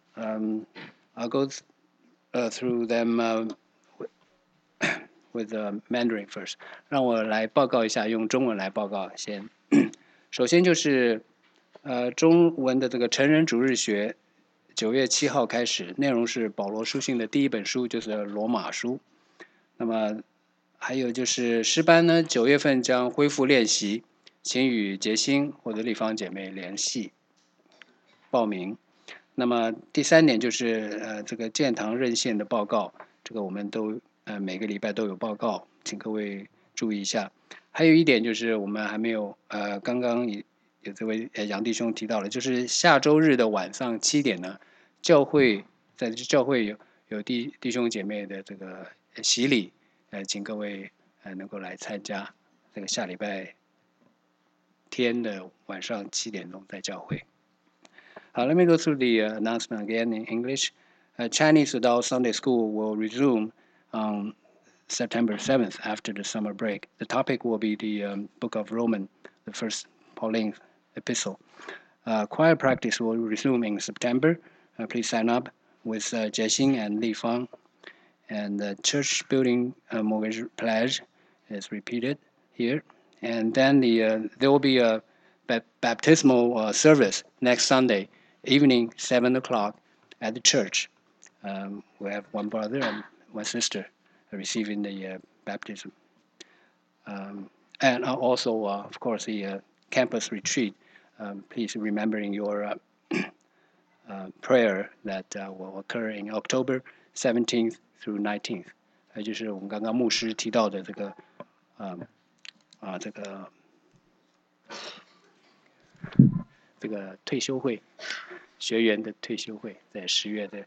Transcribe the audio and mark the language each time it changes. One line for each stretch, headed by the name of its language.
English: I'll go through them with the Mandarin first.
Chinese: 让我来报告一下，用中文来报告先。首先就是。中文的这个成人主日学9月7号开始，内容是保罗书信的第一本书，就是罗马书。那么还有就是诗班呢，9月份将恢复练习，请与杰星或者立方姐妹联系报名。那么第三点就是这个建堂任线的报告，这个我们都每个礼拜都有报告，请各位注意一下。还有一点就是我们还没有刚刚有这位杨弟兄提到了，就是下周日的晚上七点呢，教会在教会有弟兄姐妹的这个洗礼，请各位能够来参加这个下礼拜天的晚上七点钟在教会。
English: 好 ，Let me go through the announcement again in English. Chinese Adult Sunday School will resume on September 7th after the summer break. The topic will be the Book of Romans, the first Pauline epistle. Choir practice will resume in September. Please sign up with Jiaxing and Li Fang. And the church building mortgage pledge is repeated here. And then there will be a baptismal service next Sunday. Evening, 7 o'clock at the church. We have one brother and one sister receiving the baptism. And also, of course, the campus retreat. Please remember in your prayer that will occur in October 17th through 19th.
Chinese: 就是我们刚刚牧师提到的这个这个退休会。学员的退休会在10月的